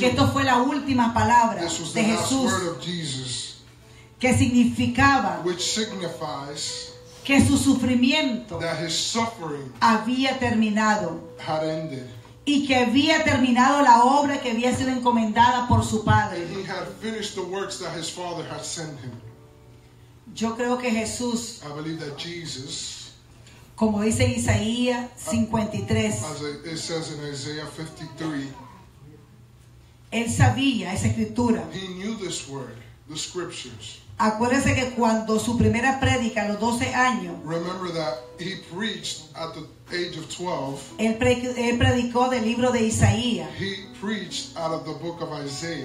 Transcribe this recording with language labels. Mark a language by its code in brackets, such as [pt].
[es] Que esto fue la última palabra de Jesús. [en] Last word of Jesus, [es] que significaba. [en] Which signifies. [es] Que su sufrimiento. [en] That his suffering. [es] Había terminado. [en] Had ended. [es] Y que había terminado la obra que había sido encomendada por su Padre. [en] And he had finished the works that his Father had sent him. [es] Yo creo que Jesús, [en] I believe that Jesus, [es] como dice Isaías 53, [en] as it says in Isaiah 53, [es] él sabía esa escritura. [en] He knew this word, the scriptures. [es] Acuérdese que cuando su primera predica a los 12 años. [en] Remember that he preached at the age of 12. [es] Él predicó del libro de Isaías. [en] He preached out of the book of Isaiah.